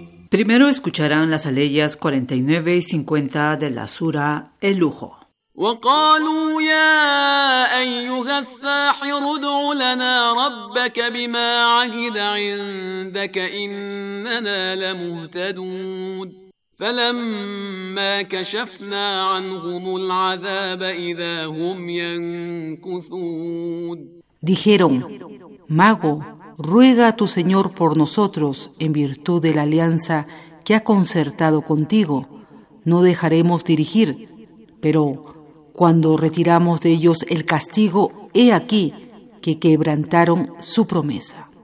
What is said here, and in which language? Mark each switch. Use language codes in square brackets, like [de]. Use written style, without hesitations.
[es] Primero escucharán las aleyas 49 y 50 de la sura El Lujo. [ar] وقالوا يا أيها الساحر ادع لنا ربك بما عهد عندك إننا لمهتدون فلما كشفنا عنهم العذاب إذا هم ينكثون. [es] Dijeron: mago, ruega a tu Señor por nosotros en virtud de la alianza que ha concertado contigo. No dejaremos dirigir, pero cuando retiramos de ellos el castigo, he aquí que quebrantaron su promesa.